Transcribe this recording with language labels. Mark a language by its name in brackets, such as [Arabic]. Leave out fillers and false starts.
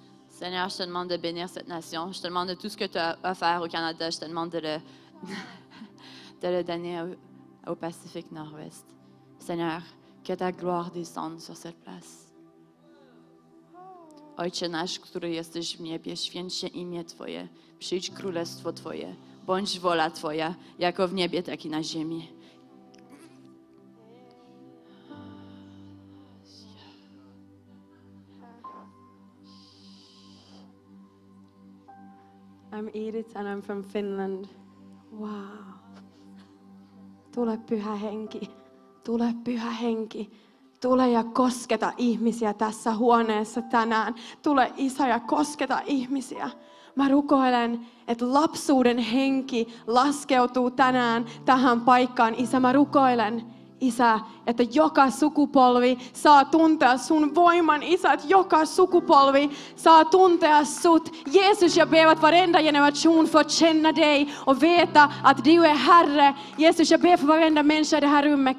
[French] Seigneur, je te demande de bénir cette nation. Je te demande de tout ce que tu as offert au Canada. Je te demande de le donner au Pacifique Nord-Ouest. Seigneur, que ta gloire descende sur cette place. [Polish] Ojcze nasz, który jesteś w niebie, święć się imię Twoje, przyjdź królestwo Twoje, bądź wola Twoja, jako w niebie, tak i na ziemi. [English] I'm Edith and I'm from Finland. [Finnish] Wow. Tule pyhä henki. Tule pyhä henki. Tule ja kosketa ihmisiä tässä huoneessa tänään. Tule isä ja kosketa ihmisiä. Mä rukoilen, että lapsuuden henki laskeutuu tänään tähän paikkaan. Isä, mä rukoilen, isä, että joka sukupolvi saa tuntea sun voiman, isä, että joka sukupolvi saa tuntea sut. [Swedish] Jeesus, jag ber att varenda generation får känna dig och veta att du är Herre. Jeesus, jag ber för varenda människa i det här rummet.